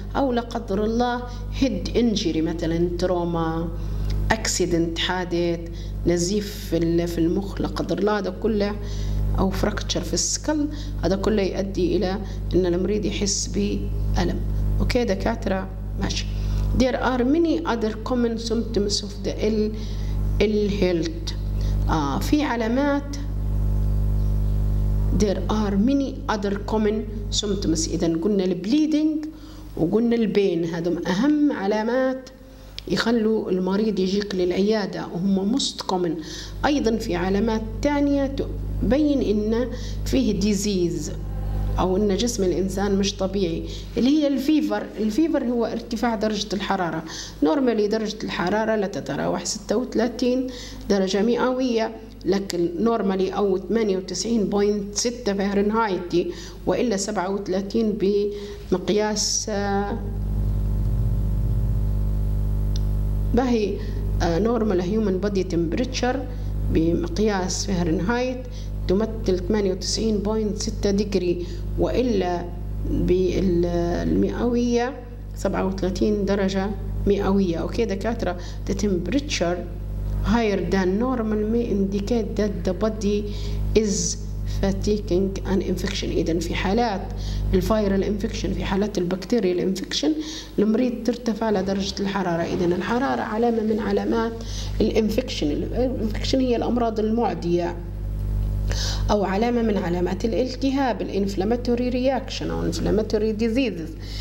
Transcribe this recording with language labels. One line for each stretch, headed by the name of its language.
Arabic: أو لا قدر الله هيد انجري مثلا تروما أكسيدنت حادث نزيف في المخ لا قدر الله، هذا كله أو فراكتشر في السكل، هذا كله يؤدي إلى أن المريض يحس بألم. أوكي دكاترة ماشي.
English: There are many other common symptoms of the ill health.
Arabic: في علامات.
English: There are many other common symptoms.
Arabic: إذا قلنا البليدنج وقلنا البين، هذم أهم علامات يخلوا المريض يجيك للعيادة وهم
English: most common.
Arabic: أيضا في علامات تانية تبين إن فيه disease. أو أن جسم الإنسان مش طبيعي، اللي هي الفيفر. الفيفر هو ارتفاع درجة الحرارة. نورمالي درجة الحرارة لا تتراوح 36 درجة مئوية، لكن نورمالي أو 98.6 فهرنهايت، وإلا 37 بمقياس بهي
English: normal human body temperature
Arabic: بمقياس فهرنهايت تمثل 98.6 ديجري، وإلا بالمئوية 37 درجة مئوية. أوكي دكاترة،
English: the temperature higher than normal may indicate that the body is fatiguing an infection.
Arabic: إذن في حالات الفيرال انفكشن، في حالات البكتيريال انفكشن، المريض ترتفع لدرجة الحرارة. إذن الحرارة علامة من علامات الانفكشن. الانفكشن هي الأمراض المعدية أو علامة من علامات الالتهاب، الانفلاماتوري رياكشن أو انفلاماتوري ديزيز.